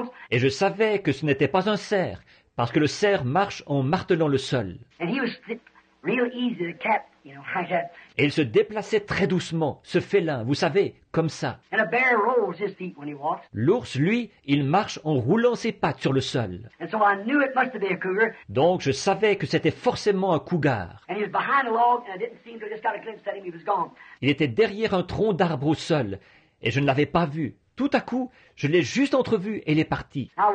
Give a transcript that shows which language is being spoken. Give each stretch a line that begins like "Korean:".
French: Et je savais que ce n'était pas un cerf, parce que le cerf marche en martelant le sol.
English: Real easy to cap, you know, like that.
French: Et il se déplaçait très doucement, ce félin, vous savez, comme ça.
English: And a bear rolls his feet when he walks.
French: L'ours, lui, il marche en roulant ses pattes sur le sol.
English: And so I knew it must have been a cougar.
French: Donc je savais que c'était forcément un cougar.
English: And he was behind a log, and I didn't see him, so I just got a glimpse at him, he was gone.
French: Il était derrière un tronc d'arbre au sol, et je ne l'avais pas vu. Tout à coup, je l'ai juste entrevu et il est parti.